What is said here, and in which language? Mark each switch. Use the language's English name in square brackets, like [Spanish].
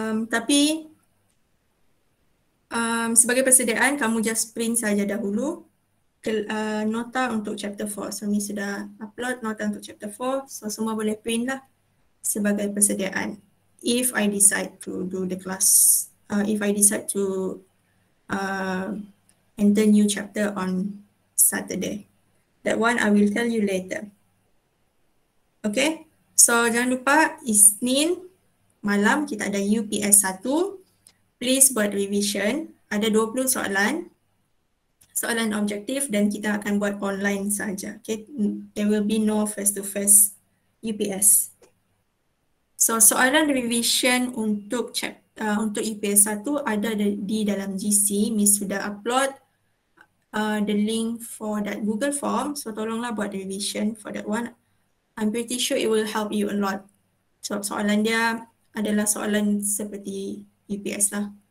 [Malay] Tapi sebagai persediaan, kamu just print saja dahulu nota untuk chapter 4. So Miss sudah upload nota untuk chapter 4. So semua boleh print lah sebagai persediaan. [English] If I decide to do the class, if I decide to enter new chapter on Saturday, that one I will tell you later. [Malay] Okay, so jangan lupa Isnin malam kita ada UPS 1. Please buat revision. Ada 20 soalan. Soalan objektif dan kita akan buat online saja. [English] Okay, there will be no face-to-face UPS. [Malay] So soalan revision untuk untuk UPS 1 ada di dalam GC. [English] Miss [Malay] sudah upload [English] the link for that Google form. So [Malay] tolonglah buat [English] revision for that one. I'm pretty sure it will help you a lot. [Malay] So soalan dia adalah soalan seperti UPS lah.